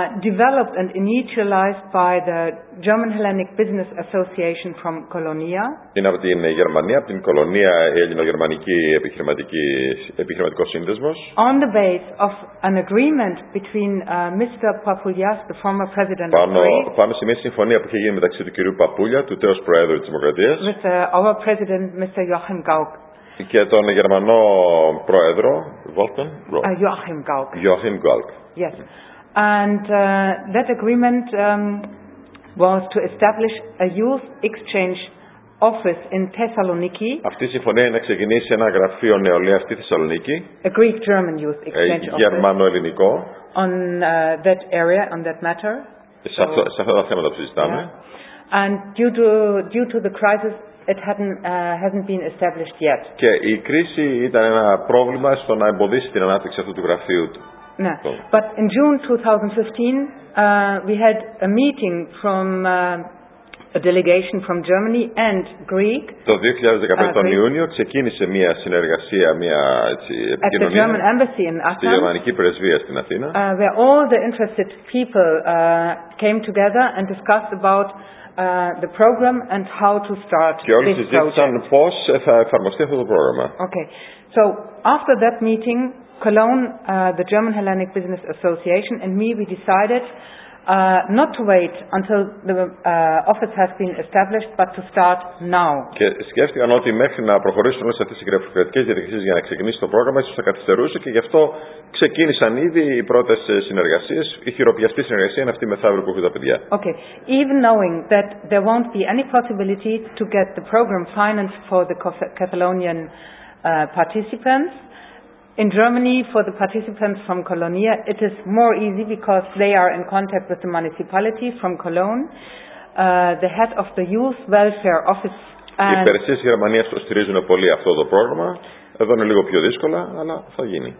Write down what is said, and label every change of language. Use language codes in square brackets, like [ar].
[en] developed and initialized by the German Hellenic Business Association from Colonia. [el] Είναι από την Γερμανία, από την Κολονία, η Ελληνογερμανική επιχειρηματικό σύνδεσμος. [en] On the base of an agreement between Mr. Papoulias, the former president [el] πάνω, [en] of Greece. [el] Πάνω σε μια συμφωνία που είχε γίνει μεταξύ του κυρίου Παπούλια, του τέος πρόεδρου της Δημοκρατίας. [en] With our president, Mr. Joachim Gauck. [el] Και τον Γερμανό πρόεδρο, Wolfgang Gauck. Joachim Gauck. Joachim Gauck. [en] Yes. And that agreement was to establish a youth exchange office in Thessaloniki. [el] Αυτή η συμφωνία είναι να ξεκινήσει ένα γραφείο νεολαίας στη Θεσσαλονίκη. [en] A Greek-German youth exchange office. [el] Γερμανο-ελληνικό. [en] On that area, on that matter. [el] Σε αυτά τα θέματα που συζητάμε. [en] And due to the crisis, it hasn't been established yet. [el] Και η κρίση ήταν ένα πρόβλημα στο να εμποδίσει την ανάπτυξη αυτού του γραφείου. [en] No. But in June 2015, we had a meeting from a delegation from Germany and Greek. [el] Το 2015 Ιούνιο ξεκίνησε μια συνεργασία, μια επικοινωνία. [en] At the German embassy in Athens. [el] Στη γερμανική πρεσβεία στην Αθήνα. [en] Where all the interested people came together and discussed about the program and how to start this project. [el] Και όλοι συζήτησαν πώς θα εφαρμοστεί αυτό το πρόγραμμα. [en] Okay. So after that meeting, Cologne, the German Hellenic Business Association, and me, we decided not to wait until the office has been established, but to start now. [el] Και σκέφτηκαν ότι μέχρι να προχωρήσουν σε αυτές τις γραφειοκρατικές διαδικασίες για να ξεκινήσει το πρόγραμμα, ίσως θα καθυστερούσε και γι' αυτό ξεκίνησαν ήδη οι πρώτες συνεργασίες. Η χειροπιαστή συνεργασία είναι αυτή μεθαύριο που έχουν τα παιδιά. [en] Okay. Even knowing that there won't be any possibility to get the program financed for the Catalonian participants, in Germany, for the participants from Colonia, it is more easy because they are in contact with the municipality from Cologne, the head of the youth welfare office. [el] Οι υπηρεσίες της Γερμανίας στηρίζουν πολύ αυτό το πρόγραμμα. Εδώ είναι λίγο πιο δύσκολα, αλλά θα γίνει.